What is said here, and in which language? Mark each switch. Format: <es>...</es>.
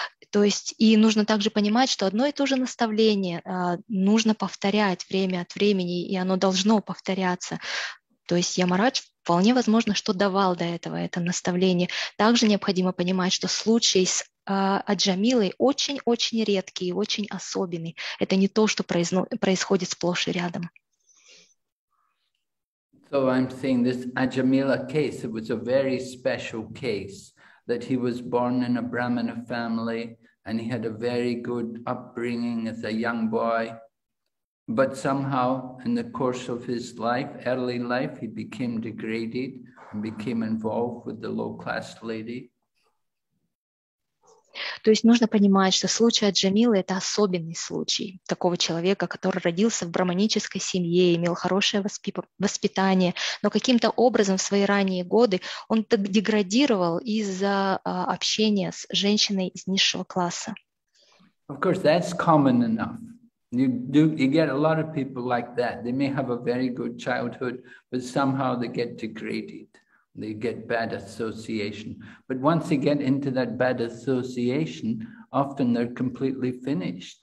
<ru>То есть и нужно также понимать, что одно и то же наставление нужно повторять время от времени, и оно должно повторяться. То есть Ямарадж вполне возможно, что давал до этого это наставление. Также необходимо понимать, что случай с Аджамилой очень-очень редкий и очень особенный. Это не то, что происходит сплошь и рядом.</ru> <en>So I'm saying this Аджамила case, it was a very special case that he was born in a Brahmana family and he had a very good upbringing as a young boy. But somehow, in the course of his life, early life, he became degraded and became involved with the low-class lady.</en> <ru>То есть нужно понимать, что случай Аджамилы – это особенный случай такого человека, который родился в брахманической семье, имел хорошее воспитание, но каким-то образом в свои ранние годы он деградировал из-за общения с женщиной из низшего класса.</ru> <en>Of course, that's common enough. You get a lot of people like that. They may have a very good childhood, but somehow they get degraded. They get bad association. But once they get into that bad association, often they're completely finished.</en>